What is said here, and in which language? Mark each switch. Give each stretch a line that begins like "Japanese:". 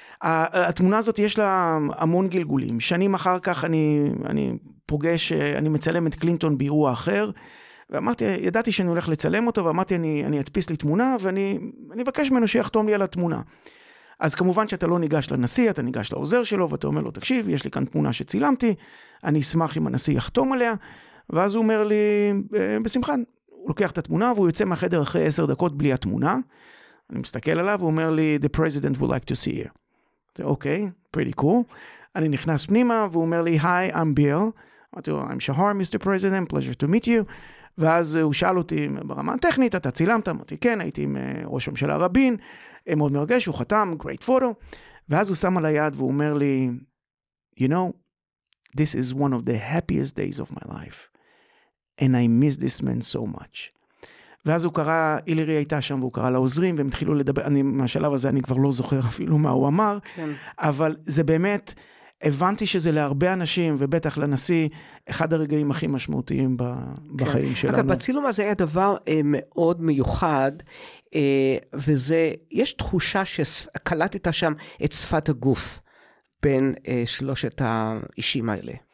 Hebrew: התמונה הזאת יש לה המון גלגולים. שנים אחר כך אני פוגש, אני מצלם את קלינטון באירוע אחר, ואמרתי, ידעתי שאני הולך לצלם אותו, ואמרתי, אני אדפיס לי תמונה, ואני אבקש ממנו שיחתום לי על התמונה. אז כמובן שאתה לא ניגש לנשיא, אתה ניגש לעוזר שלו, ואתה אומר לו, תקשיב, יש לי כאן תמונה שצילמתי, אני אשמח אם הנשיא יחתום עליה. ואז הוא אומר לי, בשמחה, הוא לוקח את התמונה, והוא יוצא מהחדר אחרי 10 דקות בלי התמונה. אני מסתכל עליו, הוא אומר לי,
English: the president would like to see you. אוקיי, פריטי קול.
Hebrew: אני נכנס פנימה, והוא אומר לי, היי,
English: I'm Bill.
Hebrew: אמרתי לו,
English: I'm Shahar, Mr. President, pleasure to meet you.
Hebrew: ואז הוא שאל אותי ברמה הטכנית, אתה צילמת? אמרתי, כן, הייתי עם ראש הממשלה רבין, מאוד מרגש, הוא חתם,
English: great photo.
Hebrew: ואז הוא שם על היד, והוא אומר לי,
English: you know, this is one of the happiest days of my life. And I miss this man so much.
Hebrew: ואז הוא קרא, אילירי הייתה שם, והוא קרא לעוזרים, והם התחילו לדבר, אני, מהשלב הזה אני כבר לא זוכר אפילו מה הוא אמר, כן. אבל זה באמת, הבנתי שזה להרבה אנשים, ובטח לנשיא, אחד הרגעים הכי משמעותיים בחיים כן. שלנו. אגב, בצילום הזה היה דבר מאוד מיוחד, וזה, יש תחושה שקלטת שם את שפת הגוף, בין שלושת האישים האלה.